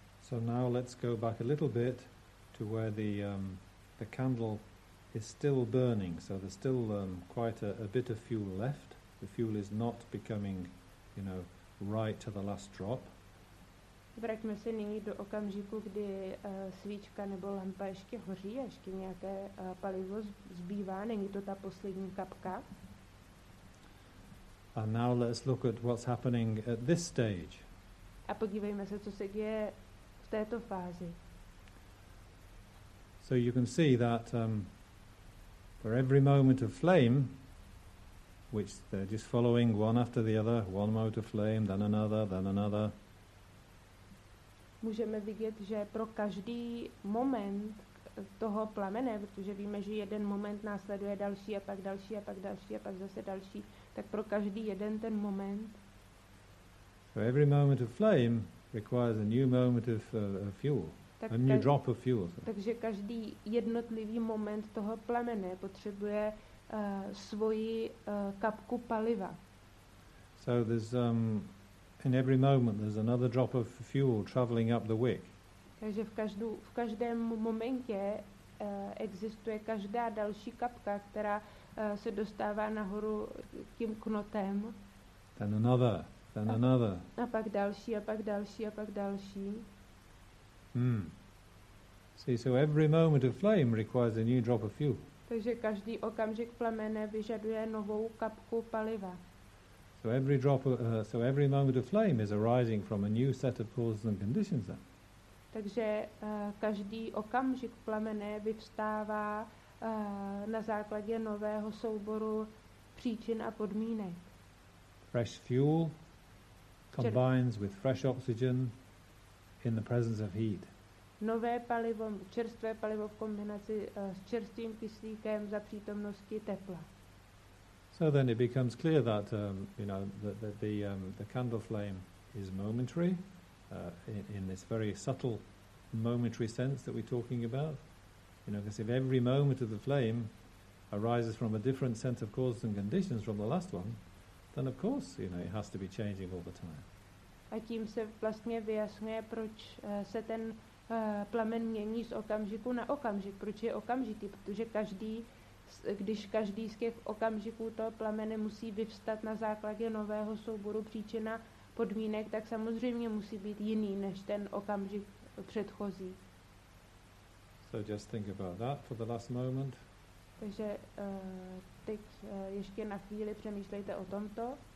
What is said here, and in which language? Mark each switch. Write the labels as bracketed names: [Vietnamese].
[English] So now let's go back a little bit to where the candle is still burning. So there's still quite a bit of fuel left. The fuel is not becoming, you know, right to the last drop. [Czech] Vraťme se nyní do okamžiku, kdy svíčka nebo lampa ještě hoří, ještě nějaké palivo zbývá, není to ta poslední kapka. [English] And now let's look at what's happening at this stage. [Czech] A podívejme se, co se děje této fázi. [English] So you can see that for every moment of flame, which they're just following one after the other, one moment of flame, then another, then another. [Czech] Můžeme vidět, že pro každý moment toho plamene, protože víme, že jeden moment následuje další a pak další a pak další a pak zase další, tak pro každý jeden ten moment. [English] For every moment of flame requires a new moment of fuel, a new drop of fuel. [Czech] Takže každý jednotlivý moment toho plamene potřebuje svoji kapku paliva. [English] So there's in every moment there's another drop of fuel traveling up the wick. [Czech] Takže v každém momentě existuje každá další kapka, která se dostává nahoru tím knotem. [English] Then another. Then another. [Czech] A pak další, a pak další, a pak další. [English] Hmm. See, so every moment of flame requires a new drop of fuel. [Czech] Takže každý okamžik plamene vyžaduje novou kapku paliva. [English] So every drop of, so every moment of flame is arising from a new set of causes and conditions then. [Czech] Takže každý okamžik plamene vyvstává na základě nového souboru příčin a podmínek. [English] Fresh fuel combines with fresh oxygen in the presence of heat. [Czech] Nové palivo, čerstvé palivo v kombinaci s čerstvým kyslíkem za přítomnosti tepla. [English] So then it becomes clear that you know that the candle flame is momentary in this very subtle momentary sense that we're talking about. You know, because if every moment of the flame arises from a different set of causes and conditions from the last one, then of course, you know, it has to be changing all the time. [Czech] A tím se vlastně vyjasňuje, proč se ten plamen mění z okamžiku na okamžik, proč je okamžitý, protože když každý z těch okamžiků toho plamene musí vyvstat na základě nového souboru příčina podmínek, tak samozřejmě musí být jiný než ten okamžik předchozí. [English] So just think about that for the last moment. [Czech] Takže teď ještě na chvíli přemýšlejte o tomto.